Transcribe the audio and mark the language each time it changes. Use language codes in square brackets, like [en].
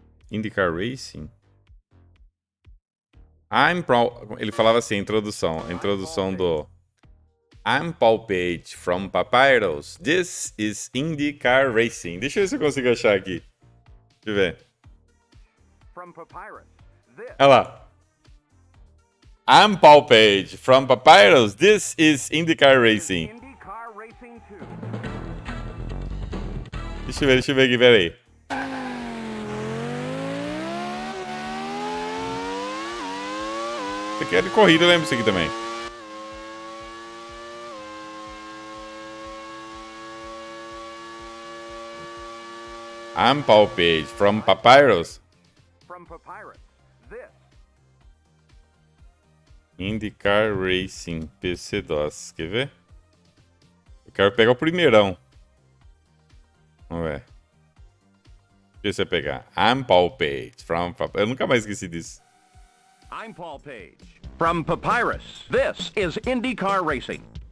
[en] IndyCar Racing. [pt] I'm Paul. Ele falava assim, introdução. Introdução do. [en] I'm Paul Page from Papyrus. This is IndyCar Racing. [pt] Deixa eu ver se eu consigo achar aqui. Deixa eu ver. From Papyrus. Olha lá. [en] I'm Paul Page from Papyrus. This is IndyCar Racing. [pt] Deixa eu ver aqui, peraí. Isso aqui é de corrida, eu lembro disso aqui também. [en] I'm Paul Page, from Papyrus. From Papyrus. This. [pt] IndyCar Racing, PC DOS. Quer ver? Eu quero pegar o primeirão. Vamos ver. Deixa eu pegar. [en] I'm Paul Page, from Papyrus. [pt] Eu nunca mais esqueci disso. I'm Paul Page. [en] From Papyrus, this is IndyCar Racing.